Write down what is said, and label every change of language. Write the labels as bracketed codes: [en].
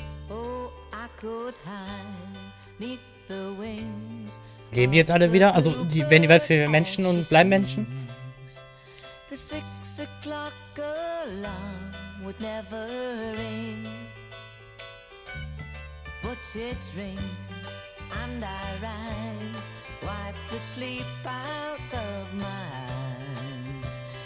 [en] Oh, I could hide neath the wings. [de] Leben die jetzt alle wieder? Also, die werden die Welt für Menschen und bleiben Menschen? [en] The 6 o'clock alarm would never ring, but it rings and I rise, wipe the sleep out of my eyes.